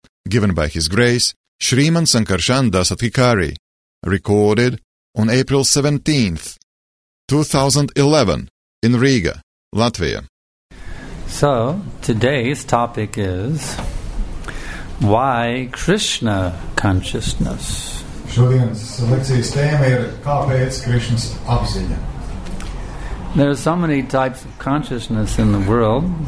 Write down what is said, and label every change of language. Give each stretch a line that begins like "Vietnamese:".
English: Given by His Grace, Sriman Sankarshan Dasathikari, recorded on April 17th, 2011, in Riga, Latvia. So, today's topic is Why Krishna Consciousness?
Latvian: Šodienas lekcijas tēma ir Kāpēc Krishnas apziņa?
English: There are so many types of consciousness in the world.